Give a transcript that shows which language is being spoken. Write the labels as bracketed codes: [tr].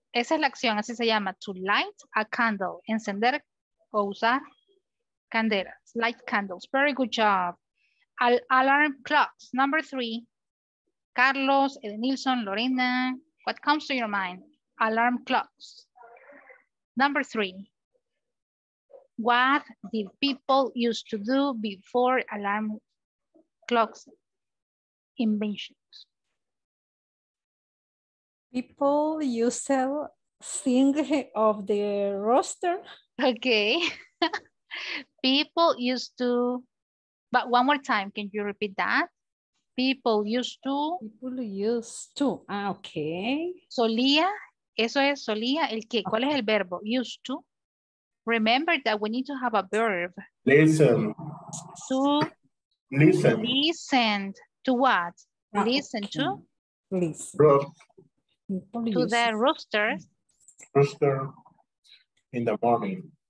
[es] Esa es la acción, así se llama, [en] to light a candle, [es] encender o usar candelas, [en] light candles. Very good job. Alarm clocks, number three. Carlos, Edenilson, Lorena, what comes to your mind? Alarm clocks. Number three. What did people used to do before alarm clocks invention? People used to sing of the roster. Okay. People used to, but one more time, can you repeat that? People used to. People used to. Ah, okay. [es] Solía, eso es solía, el qué, okay. ¿Cuál es el verbo? [en] Used to. Remember that we need to have a verb. Listen. To. Listen. Listen to what? Listen to? Listen. To the rooster. Rooster in the morning.